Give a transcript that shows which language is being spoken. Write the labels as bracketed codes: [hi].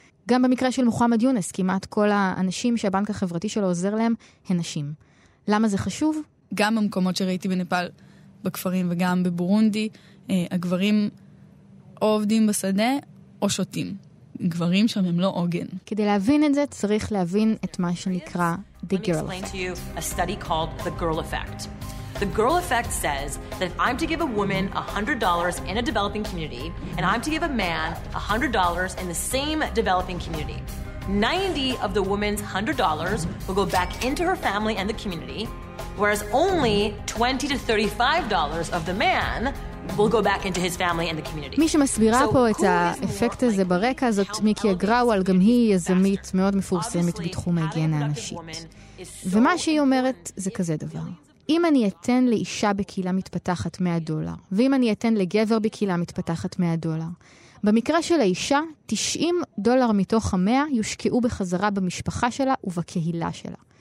[he] גם במקרה של מוחמד יונס, כמעט כל האנשים שהבנק החברתי שלו עוזר להם, הן נשים. למה זה חשוב? גם במקומות שראיתי בנפאל בכפרים, וגם בבורונדי, הגברים או עובדים בשדה או שותים. גברים שם הם לא עוגן. כדי להבין את זה צריך להבין את מה שנקרא the girl effect. [en] To you a study called the girl effect. The girl effect says that if I'm to give a woman $100 in a developing community and I'm to give a man $100 in the same developing community, 90 of the woman's $100 will go back into her family and the community, whereas only $20 to $35 of the man will go back into his family and the community. [he] מי שמסבירה פה את האפקט הזה ברקע זאת מיקי אגראוול, גם היא יזמית מאוד מפורסמת בתחום ההיגיינה הנשית. ומה שהיא אומרת זה כזה דבר. אם אני אתן לאישה בקהילה מתפתחת $100, ואם אני אתן לגבר בקהילה מתפתחת $100, במקרה של האישה, $90 מתוך ה-100 יושקעו בחזרה במשפחה שלה ובקהילה שלה.